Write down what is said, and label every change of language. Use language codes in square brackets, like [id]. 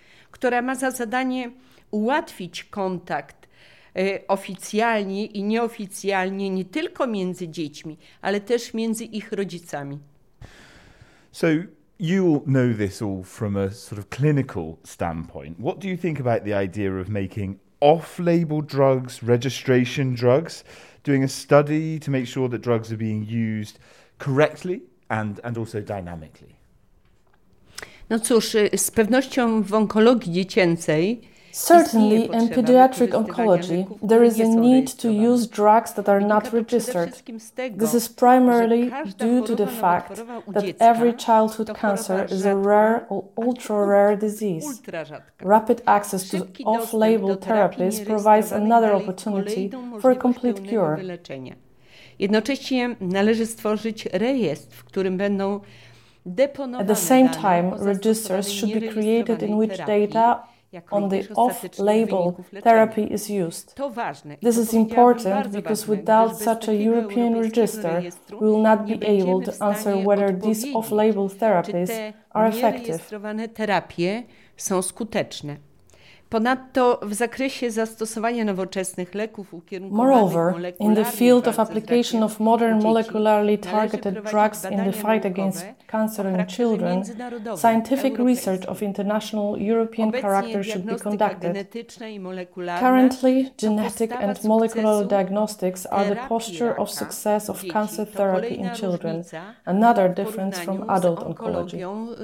[pl] Która ma za zadanie ułatwić kontakt oficjalnie i nieoficjalnie nie tylko między dziećmi, ale też między ich rodzicami. [en] So you all know this all from a sort of clinical standpoint. What do you think about the idea of making off-label drugs, registration drugs, doing a study to make sure that drugs are being used correctly and also dynamically? [pl] No cóż, z pewnością w onkologii dziecięcej. [en] Certainly, in pediatric oncology, there is a need to use drugs that are not registered. This is primarily due to the fact that every childhood cancer is a rare or ultra-rare disease. Rapid access to off-label therapies provides another opportunity for a complete cure. [pl] Jednocześnie należy stworzyć rejestr, w którym będą. [en] At the same time, registers should be created in which data on the off-label therapy is used. This is important because without such a European register, we will not be able to answer whether these off-label therapies are effective. [pl] Zarejestrowane terapie są skuteczne. Ponadto w zakresie zastosowania nowoczesnych leków ukierunkowanych. [en] Moreover, in the field of application of modern molecularly targeted drugs in the fight against cancer in children, scientific research of international European character should be conducted. Currently, genetic and molecular diagnostics are the posture of success of cancer therapy in children, another difference from adult oncology.